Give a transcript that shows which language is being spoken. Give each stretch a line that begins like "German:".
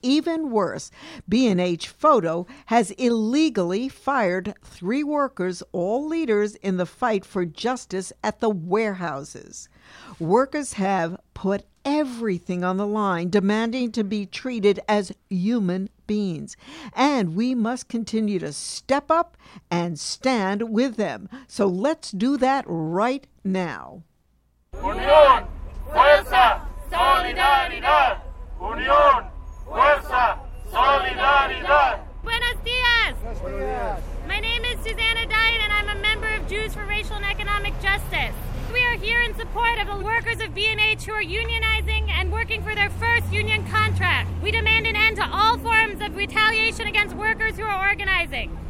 English: Even worse, B&H Photo has illegally fired three workers, all leaders in the fight for justice at the warehouses. Workers have put everything on the line, demanding to be treated as human beings. And we must continue to step up and stand with them. So let's do that right now.
Spanish: Unión, fuerza, solidaridad. Unión, fuerza, solidaridad. Buenos días.
English: My name is Susanna Dyne, and I'm a member of Jews for Racial and Economic Justice. We are here in support of the workers of B&H who are unionizing and working for their first union contract. We demand an end to all forms of retaliation against workers who are organizing.